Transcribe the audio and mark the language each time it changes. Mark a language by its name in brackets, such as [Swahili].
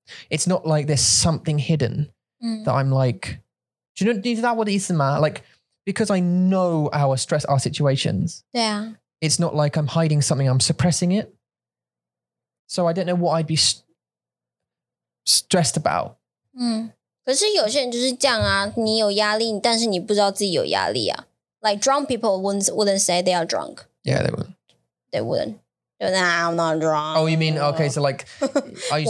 [English] It's not like there's something hidden that I'm like, do you know, is that what it is, ma? Like, because I know our stress, our situations. Yeah. It's not like I'm hiding something, I'm suppressing it. So I don't know what I'd be stressed about. [Chinese] 可是有些人就是这样啊，你有压力，但是你不知道自己有压力啊。 [English] Like drunk people wouldn't say they are drunk. Yeah, they wouldn't. They wouldn't. Nah, I'm not drunk. Oh, you mean, okay, so like, I used to do that.